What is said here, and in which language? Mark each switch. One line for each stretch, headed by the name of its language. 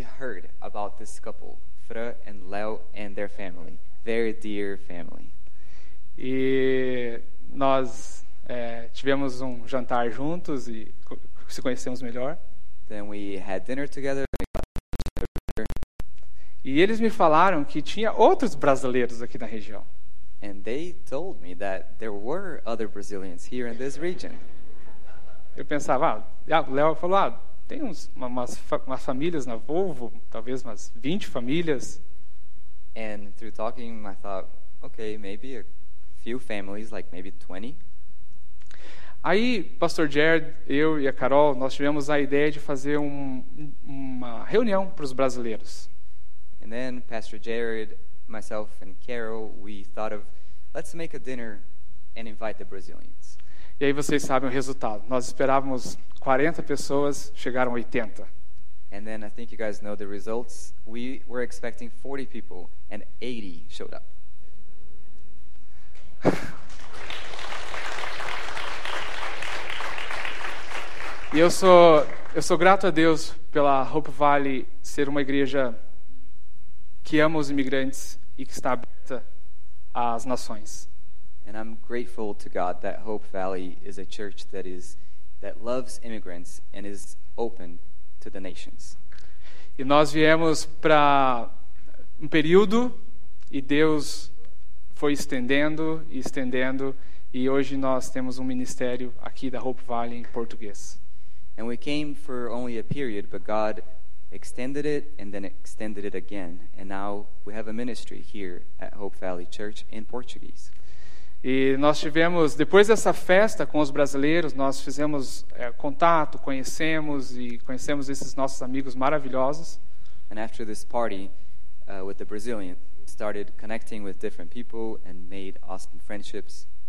English: heard about this couple, Fran and Léo and their family, very dear family.
Portuguese: E nós tivemos um jantar juntos e se conhecemos melhor.
English: Then we had dinner together.
Portuguese: E eles me falaram que tinha outros brasileiros aqui na região.
English: And they told me that there were other Brazilians here in this region.
Portuguese: Eu pensava, Léo falou, tem umas famílias na Volvo, talvez umas 20 famílias.
English: And through talking, I thought, okay, maybe a few families, like maybe 20.
Portuguese: Aí, Pastor Jared, eu e a Carol, nós tivemos a ideia de fazer uma reunião para os brasileiros.
English: And then Pastor Jared, myself and Carol, we thought of, let's make a dinner and invite the Brazilians.
Portuguese: E aí vocês sabem o resultado. Nós esperávamos 40 pessoas, chegaram 80.
English: And then I think you guys know the results. We were expecting 40 people and 80 showed up.
Portuguese: E eu sou grato a Deus pela Hope Valley ser uma igreja que ama os imigrantes e que está aberta às nações.
English: And I'm grateful to God that Hope Valley is a church that loves immigrants and is open to the nations.
Portuguese: E nós viemos para um período e Deus foi estendendo e estendendo e hoje nós temos um ministério aqui da Hope Valley em português.
English: And we came for only a period, but God extended it and then extended it again, and now we have a ministry here at Hope Valley Church in Portuguese.
Portuguese: E nós tivemos, depois dessa festa com os brasileiros, nós fizemos contato, conhecemos esses nossos amigos maravilhosos.
English: And after this party with the Brazilians, we started connecting with different people and made awesome friendships.